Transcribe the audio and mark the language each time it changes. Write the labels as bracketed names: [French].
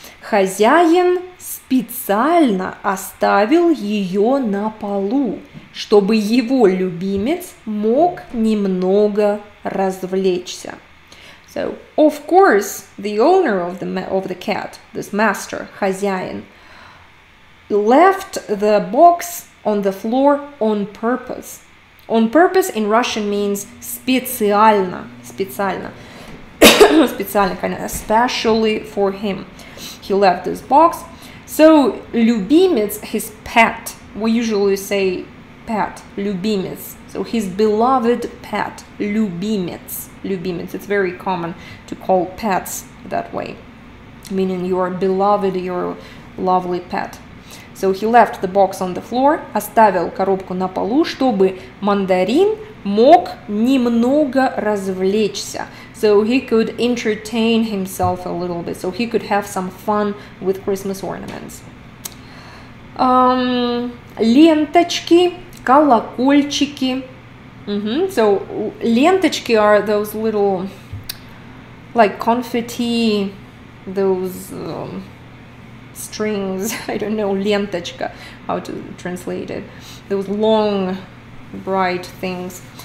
[Russian] Хозяин специально оставил ее на полу, чтобы его любимец мог немного развлечься. [English] So, of course, the owner of the cat, this master, хозяин, left the box on the floor on purpose. On purpose in Russian means [Russian] специально, специально, специально, [English] kind of especially for him. He left this box. So, любимец, his pet, we usually say pet, любимец. So, his beloved pet, любимец. Любимец. It's very common to call pets that way, meaning your beloved, your lovely pet. So he left the box on the floor, [Russian] оставил коробку на полу, чтобы мандарин мог немного развлечься. [English] So he could entertain himself a little bit, so he could have some fun with Christmas ornaments. [Russian] Ленточки, колокольчики. Mm-hmm. [English] So, ленточки are those little, like, confetti, those strings, I don't know, ленточка, how to translate it, those long, bright things.